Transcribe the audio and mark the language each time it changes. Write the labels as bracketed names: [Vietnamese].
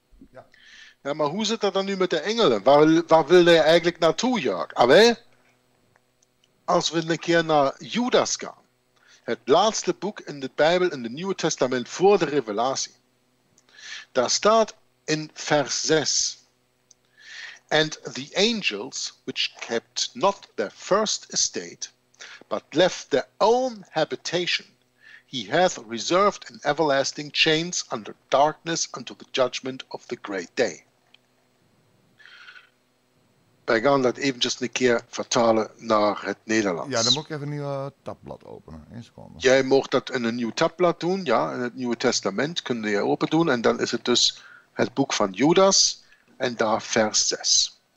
[Dutch] Ja. Ja, maar hoe zit dat dan nu met de engelen? Waar wil hij eigenlijk naartoe, Jörg? Als we een keer naar Judas gaan, het laatste boek in de Bijbel, in het Nieuwe Testament, voor de Revelatie. Daar staat in vers 6. [English] And the angels, which kept not their first estate, but left their own habitation, he hath reserved in everlasting chains under darkness unto the judgment of the great day. [Dutch] Wij gaan dat eventjes een keer vertalen naar het Nederlands. Ja, dan moet ik even een nieuw tabblad openen. Eén seconde. Jij mocht dat in een nieuw tabblad doen, ja, in het Nieuwe Testament. Kun je open doen en dan is het dus het boek van Judas en daar vers 6.